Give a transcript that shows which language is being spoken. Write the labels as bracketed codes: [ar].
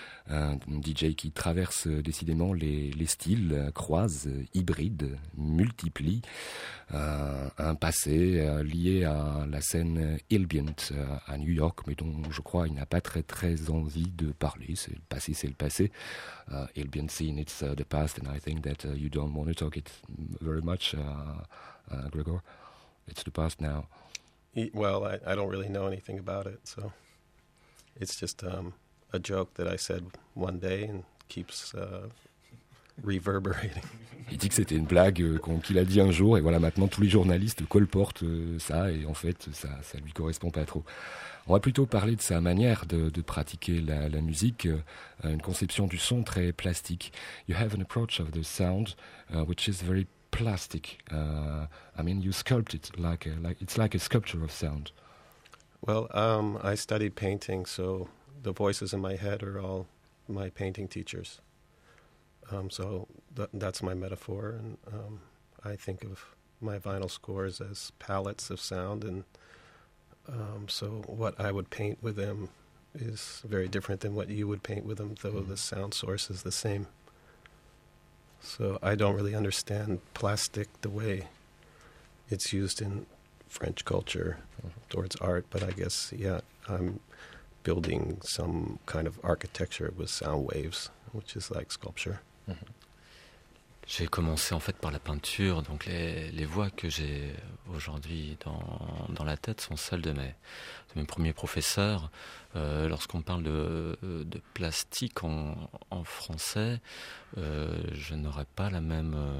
[fr] Un DJ qui traverse décidément les styles, croise, hybride, multiplie un passé lié à la scène ambient à New York, mais dont je crois il n'a pas très très envie de parler. C'est le passé, c'est le passé. [en] Ambient scene, it's the past, and I think that you don't want to talk it very much, Gregor. It's the past now. Well, I don't really know anything about it, so it's just a joke that I said one day and keeps reverberating. [fr] Il dit que c'était une blague qu'il a dit un jour, et voilà, maintenant tous les journalistes colportent ça, et en fait, ça lui correspond pas trop. On va plutôt parler de sa manière de pratiquer la musique, une conception du son très plastique. [en] You have an approach of the sound which is very plastic. I mean, you sculpt it it's like a sculpture of sound. Well, I studied painting, so the voices in my head are all my painting teachers. So that's my metaphor, and I think of my vinyl scores as palettes of sound, and so what I would paint with them is very different than what you would paint with them, though the sound source is the same. So I don't really understand plastic the way it's used in French culture towards art, but I guess, I'm building some kind of architecture with sound waves, which is like sculpture. [fr] J'ai commencé en fait par la peinture, donc les voix que j'ai aujourd'hui dans la tête sont celles de mes premiers professeurs. Lorsqu'on parle de plastique en français, je n'aurais pas la même